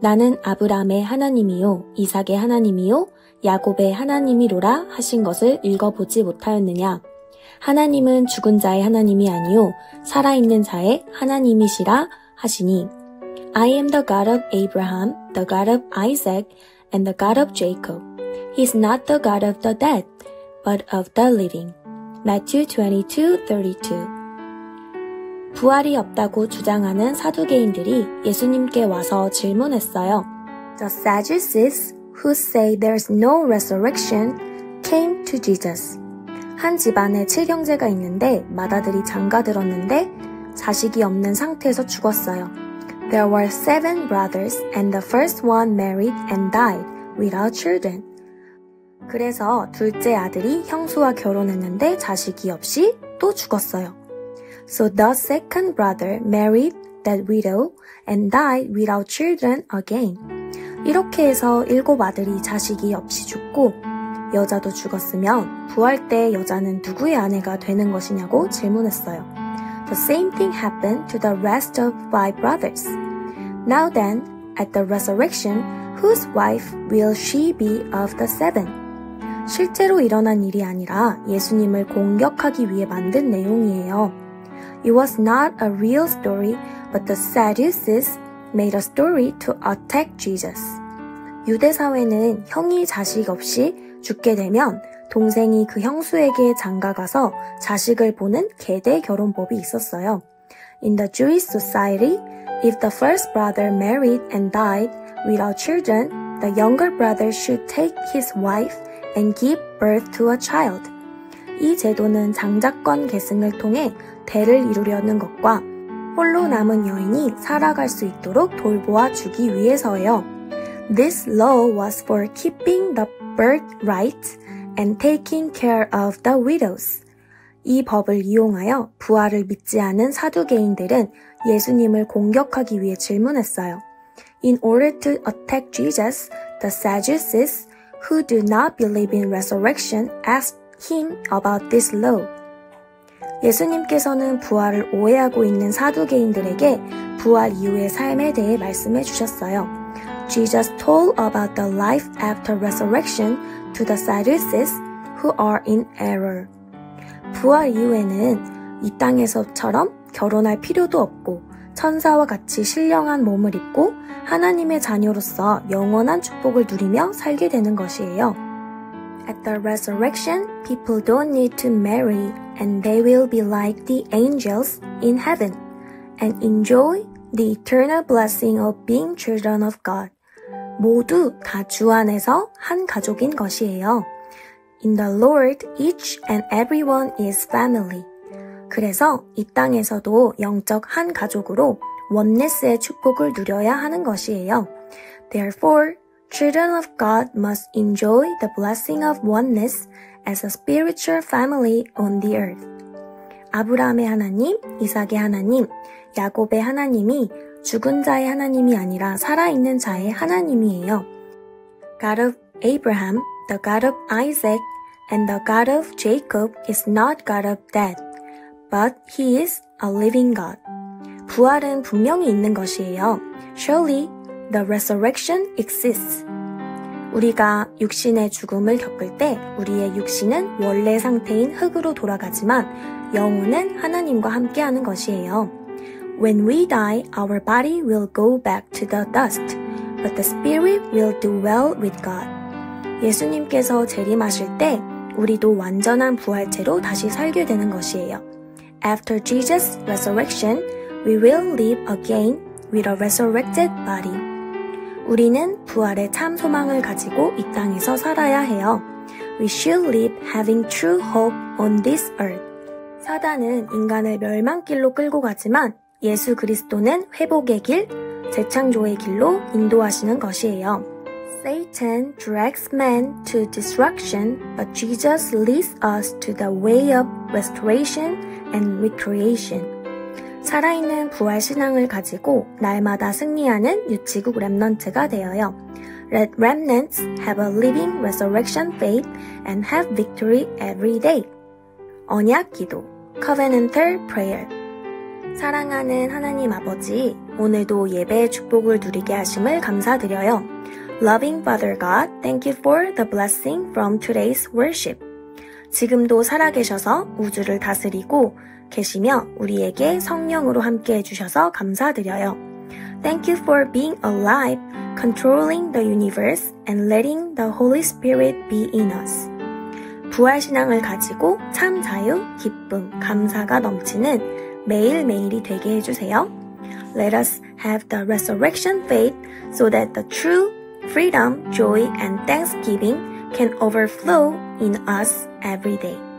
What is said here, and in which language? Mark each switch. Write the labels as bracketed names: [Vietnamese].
[Korean] 나는 아브라함의 하나님이요, 이삭의 하나님이요, 야곱의 하나님이로라 하신 것을 읽어보지 못하였느냐? 하나님은 죽은 자의 하나님이 아니요, 살아있는 자의 하나님이시라 하시니. [English] I am the God of Abraham, the God of Isaac, and the God of Jacob. He is not the God of the dead, but of the living. Matthew 22:32. [Korean] 부활이 없다고 주장하는 사두개인들이 예수님께 와서 질문했어요. [English] The Sadducees, who say there's no resurrection, came to Jesus. [Korean] 한 집안에 7형제가 있는데 맏아들이 장가들었는데 자식이 없는 상태에서 죽었어요. [English] There were 7 brothers, and the first one married and died without children. [Korean] 그래서 둘째 아들이 형수와 결혼했는데 자식이 없이 또 죽었어요. [English] So the second brother married that widow and died without children again. [Korean] 이렇게 해서 일곱 아들이 자식이 없이 죽고 여자도 죽었으면 부활 때 여자는 누구의 아내가 되는 것이냐고 질문했어요. [English] The same thing happened to the rest of 5 brothers. Now then, at the resurrection, whose wife will she be of the 7? [Korean] 실제로 일어난 일이 아니라 예수님을 공격하기 위해 만든 내용이에요. [English] It was not a real story, but the Sadducees made a story to attack Jesus. [Korean] 유대 사회는 형이 자식 없이 죽게 되면 동생이 그 형수에게 장가가서 자식을 보는 계대 결혼법이 있었어요. [English] In the Jewish society, if the first brother married and died without children, the younger brother should take his wife and give birth to a child. [Korean] 이 제도는 장자권 계승을 통해 대를 이루려는 것과 홀로 남은 여인이 살아갈 수 있도록 돌보아 주기 위해서예요. [English] This law was for keeping the birth right and taking care of the widows. [Korean] 이 법을 이용하여 부활을 믿지 않은 사두개인들은 예수님을 공격하기 위해 질문했어요. [English] In order to attack Jesus, the Sadducees who do not believe in resurrection asked him about this law. [Korean] 예수님께서는 부활을 오해하고 있는 사두개인들에게 부활 이후의 삶에 대해 말씀해 주셨어요. [English] Jesus told about the life after resurrection to the Sadducees who are in error. [Korean] 부활 이후에는 이 땅에서처럼 결혼할 필요도 없고 천사와 같이 신령한 몸을 입고 하나님의 자녀로서 영원한 축복을 누리며 살게 되는 것이에요. [English] At the resurrection, people don't need to marry and they will be like the angels in heaven and enjoy the eternal blessing of being children of God. [Korean] 모두 다 주 안에서 한 가족인 것이에요. [English] In the Lord, each and everyone is family. [Korean] 그래서 이 땅에서도 영적 한 가족으로 원네스의 축복을 누려야 하는 것이에요. [English] Therefore, children of God must enjoy the blessing of oneness as a spiritual family on the earth. [Korean] 아브라함의 하나님, 이삭의 하나님, 야곱의 하나님이 죽은 자의 하나님이 아니라 살아있는 자의 하나님이에요. [English] God of Abraham, the God of Isaac, and the God of Jacob is not God of dead, but he is a living God. [Korean] 부활은 분명히 있는 것이에요. [English] Surely, the resurrection exists. [Korean] 우리가 육신의 죽음을 겪을 때 우리의 육신은 원래 상태인 흙으로 돌아가지만 영혼은 하나님과 함께하는 것이에요. [English] When we die, our body will go back to the dust, but the spirit will dwell with God. [Korean] 예수님께서 재림하실 때 우리도 완전한 부활체로 다시 살게 되는 것이에요. [English] After Jesus' resurrection, we will live again with a resurrected body. [Korean] 우리는 부활의 참 소망을 가지고 이 땅에서 살아야 해요. [English] We should live having true hope on this earth. [Korean] 사단은 인간을 멸망길로 끌고 가지만 예수 그리스도는 회복의 길, 재창조의 길로 인도하시는 것이에요. [English] Satan drags men to destruction, but Jesus leads us to the way of restoration and recreation. [Korean] 살아있는 부활 신앙을 가지고 날마다 승리하는 유치국 렘넌트가 되어요. [English] Let remnants have a living resurrection faith and have victory every day. [Korean] 언약 기도. [English] Covenantal Prayer. [Korean] 사랑하는 하나님 아버지, 오늘도 예배의 축복을 누리게 하심을 감사드려요. [English] Loving Father God, thank you for the blessing from today's worship. [Korean] 지금도 살아계셔서 우주를 다스리고 계시며 우리에게 성령으로 함께 해주셔서 감사드려요. [English] Thank you for being alive, controlling the universe, and letting the Holy Spirit be in us. [Korean] 부활신앙을 가지고 참 자유, 기쁨, 감사가 넘치는 매일매일이 되게 해주세요. [English] Let us have the resurrection faith so that the true freedom, joy, and thanksgiving can overflow in us every day.